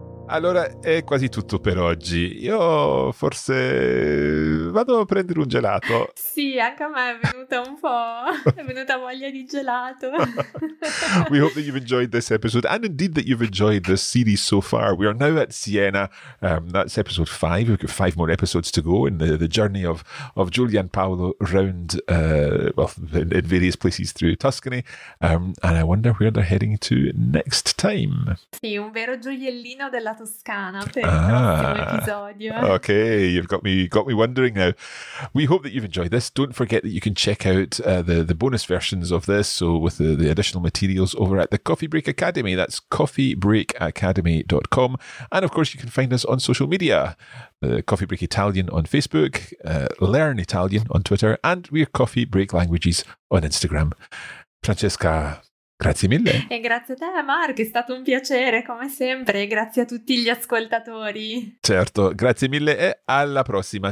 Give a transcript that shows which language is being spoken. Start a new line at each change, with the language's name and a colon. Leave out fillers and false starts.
Italian: Allora, è quasi tutto per oggi. Io forse vado a prendere un gelato. Sì, anche a me è venuta un po'... è venuta voglia di gelato.
English: We hope that you've enjoyed this episode. And indeed that you've enjoyed the series so far. We are now at Siena. That's episode 5. We've got 5 more episodes to go in the journey of Giulia and Paolo around, in various places through Tuscany. And I wonder where they're heading to next time. Sì, un vero gioiellino della Toscana per episodio. Okay, you've got me wondering now. We hope that you've enjoyed this. Don't forget that you can check out the bonus versions of this, so with the additional materials over at the Coffee Break Academy. That's coffeebreakacademy.com. And of course, you can find us on social media. Coffee Break Italian on Facebook, Learn Italian on Twitter, and we're Coffee Break Languages on Instagram.
Italian: Francesca, grazie mille. E grazie a te, Mark. È stato un piacere, come sempre. Grazie a tutti gli ascoltatori. Certo, grazie mille e alla prossima.